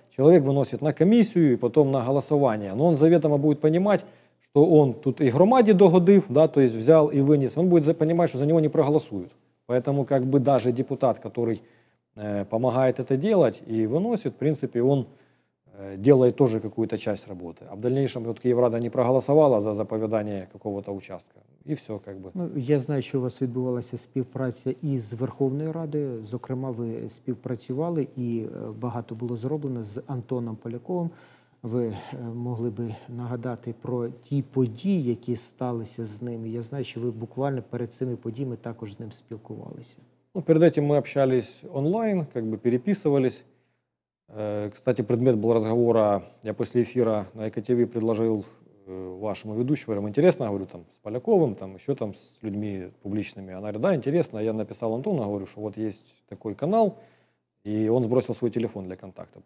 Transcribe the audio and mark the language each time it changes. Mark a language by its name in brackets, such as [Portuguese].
[Russian] Человек выносит на комиссию и потом на голосование, но он заведомо будет понимать, что он тут и [Ukrainian] громаде догодив, [Russian] да, то есть взял и вынес, он будет понимать, что за него не проголосуют. Поэтому как бы даже депутат, который помогает это делать и выносит, в принципе, он делает тоже какую-то часть работы. А в дальнейшем вот Киеврада не проголосовала за заповедание какого-то участка. И все как бы. [Ukrainian] Ну, я знаю, что у вас відбувалася співпраця і з Верховною Радою. Зокрема, ви співпрацювали і багато було зроблено з Антоном Поляковим. Ви могли би нагадати про ті події, які сталися з ними? Я знаю, що ви буквально перед цими подіями також з ним спілкувалися. [Russian] Ну, перед этим ми общались онлайн, как бы переписывались. Кстати, предмет был разговора, я после эфира на ЕКТВ предложил вашему ведущему, говорю, интересно, говорю, там, с Поляковым, там, еще там с людьми публичными. Она говорит, да, интересно. Я написал Антону, говорю, что вот есть такой канал, и он сбросил свой телефон для контакта.